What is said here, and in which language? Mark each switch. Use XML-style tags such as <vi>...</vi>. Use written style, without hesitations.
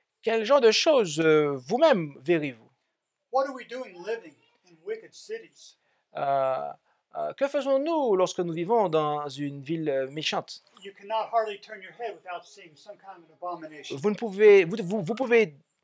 <fr>Quel genre de choses vous-même verrez-vous?</fr> <en>What are we doing living in wicked cities?</en> <fr>Que faisons-nous lorsque nous vivons dans une ville méchante?</fr> <en>You cannot hardly turn your head without seeing some kind of abomination.</en>